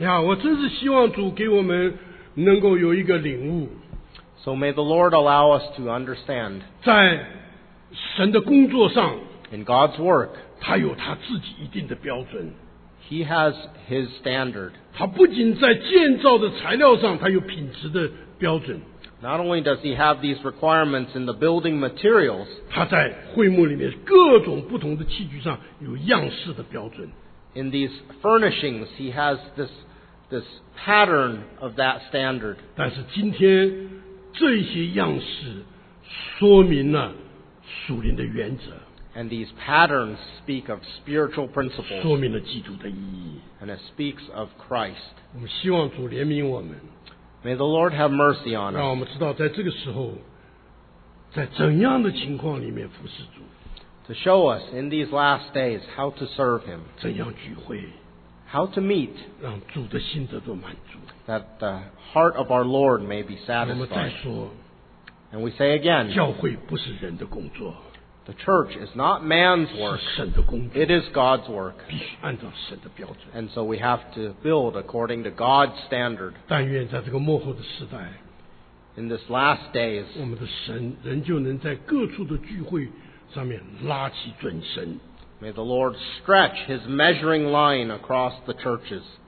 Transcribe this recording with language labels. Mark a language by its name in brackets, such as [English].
[Chinese] 呀，我真是希望主给我们能够有一个领悟。 [English] So may the Lord allow us to understand. [Chinese] 在神的工作上 [English] ，in God's work， [Chinese] 他有他自己一定的标准。 [English] He has his standard. [Chinese] 他不仅在建造的材料上，他有品质的。 [English] Not only does he have these requirements in the building materials, [Chinese] 他在会幕里面各种不同的器具上有样式的标准。 [English] In these furnishings, he has this pattern of that standard. [Chinese] 但是今天这些样式说明了属灵的原则。 [English] And these patterns speak of spiritual principles. [Chinese] 说明了基督的意义。 [English] And it speaks of Christ. [Chinese] 我们希望主怜悯我们。 [English] May the Lord have mercy on us. [Chinese] 让我们知道在这个时候在怎样的情况里面服侍主。 [English] To show us in these last days how to serve him. [Chinese] 怎样聚会。 [English] How to meet. [Chinese] 让主的心得到满足。 [English] That the heart of our Lord may be satisfied. [Chinese] 我们再说。 [English] And we say again. [Chinese] 教会不是人的工作。 [English] The church is not man's work. [Chinese] 是神的工作。 [English] It is God's work. [Chinese] 必须按照神的标准。 [English] And so we have to build according to God's standard. [Chinese] 但愿在这个末后的时代。 [English] In this last days. [Chinese] 我们的神仍旧能在各处的聚会上面拉起准绳。 [English] May the Lord stretch his measuring line across the churches.